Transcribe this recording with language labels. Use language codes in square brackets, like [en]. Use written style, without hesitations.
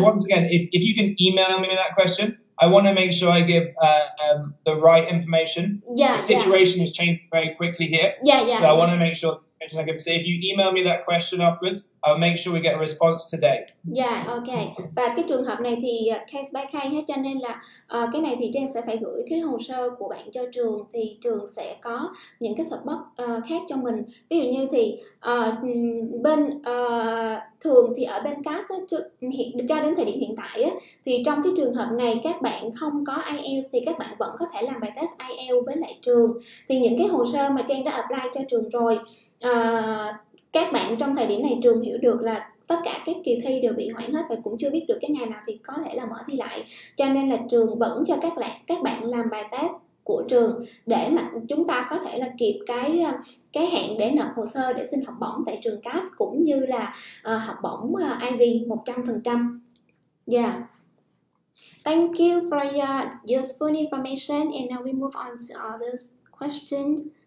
[en] Once again, if you can email me that question, I want to make sure I give the right information. Yeah. The situation yeah. has changed very quickly here. Yeah. So I want to make sure. So if you email me that question afterwards, I'll make sure we get a response today. Yeah, okay. [vi] Và cái trường hợp này thì [en] case by case, [vi] cho nên là cái này thì Trang sẽ phải gửi cái hồ sơ của bạn cho trường, thì trường sẽ có những cái support khác cho mình. Ví dụ như thì bên thường thì ở bên CAS cho đến thời điểm hiện tại thì trong cái trường hợp này các bạn không có IELTS thì các bạn vẫn có thể làm bài test IELTS với lại trường. Thì những cái hồ sơ mà Trang đã apply cho trường rồi, các bạn trong thời điểm này trường hiểu được là tất cả các kỳ thi đều bị hoãn hết và cũng chưa biết được cái ngày nào thì có thể là mở thi lại, cho nên là trường vẫn cho các bạn làm bài test của trường để mà chúng ta có thể là kịp cái hẹn để nộp hồ sơ để xin học bổng tại trường CAS cũng như là học bổng IV 100%. [en] Yeah. Thank you for your useful information and now we move on to other questions.